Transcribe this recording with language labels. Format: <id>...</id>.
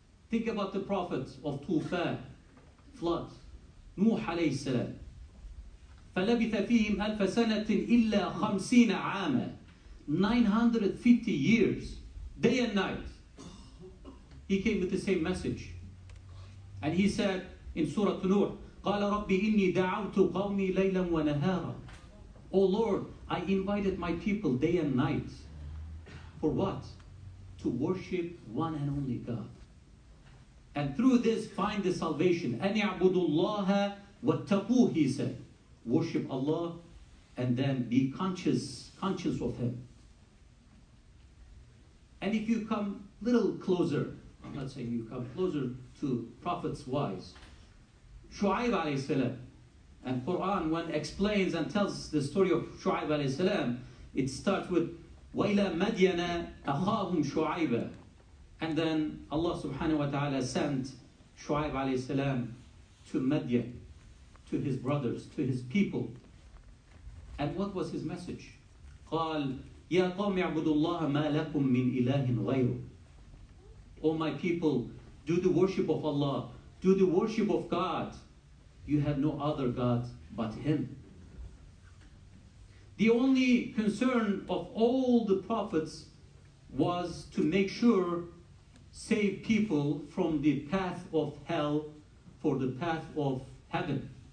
<en>Think about the prophets of Tufan, flood, Nuh alayhi salam.</en> <ar>فَلَبِثَ فِيهِمْ أَلْفَ سَنَةٍ إِلَّا خَمْسِينَ عَامًا.</ar> <en>950 years, day and night, he came with the same message. And he said in Surah Nuh,</en> <ar>قَالَ رَبِّ إِنِّي دَعَوْتُ قَوْمِي لَيْلًا وَنَهَارًا.</ar> <en>O Lord, I invited my people day and night. For what? To worship one and only God. And through this, find the salvation.</en> <ar>أَنْ يَعْبُدُ اللَّهَ وَاتَّقُوهُ,</ar> <en>he said. Worship Allah and then be conscious of Him. And if you come a little closer, I'm not saying you come closer to prophets wise, Shu'aib alayhi salam, and Quran when explains and tells the story of Shu'aib alayhi salam, it starts with</en> <ar>وَإِلَى مَدْيَنَا أَخَاهُمْ شُعَيْبًا.</ar> <en>And then Allah subhanahu wa ta'ala sent Shu'aib alayhi salam to Madian, to his brothers, to his people. And what was his message?</en> <ar>قال يا قوم اعبدوا الله ما لكم من إله غيره.</ar> <en>O my people, do the worship of Allah, do the worship of God. You have no other God but Him. The only concern of all the prophets was to make sure save people from the path of hell for the path of heaven.</en>